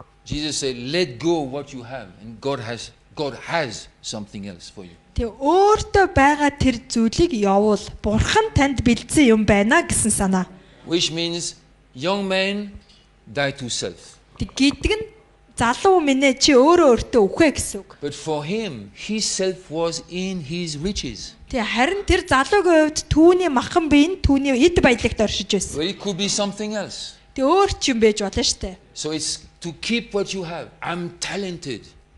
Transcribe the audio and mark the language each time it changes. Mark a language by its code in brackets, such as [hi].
[en] Jesus said, let go of what you have, and God has something else for you. [mn] Тэ өөртөө байгаа тэр зүйлийг явуул. Бурхан танд бэлдсэн юм байна гэсэн санаа. [en] Which means young man die to self. [mn] Тэ гэдэг нь залуу минь чи өөрөө өөртөө үхэ гэсэн үг. [en] But for him, his self was in his riches. [mn] Тэ харин тэр залуугийн хувьд түүний махан биен түүний эд баялагт оршиж байсан. [en] It could be something else. [mn] Тэ өөр ч юм байж болно штэ. [en] So it's to keep what you have. I'm talented.